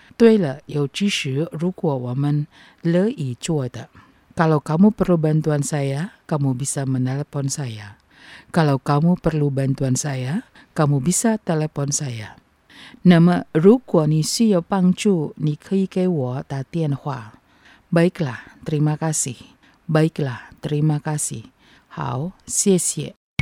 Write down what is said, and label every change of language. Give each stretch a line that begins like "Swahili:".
Chinese: 对了，尤其是如果我们乐意做的。
Indonesian: Kalau kamu perlu bantuan saya, kamu bisa menelepon saya. Kalau kamu perlu bantuan saya, kamu bisa telepon saya.
Chinese: Nama, 如果你需要帮助，你可以给我打电话。
Indonesian: Baiklah, terima kasih. Baiklah, terima kasih.
Chinese: 好，谢谢。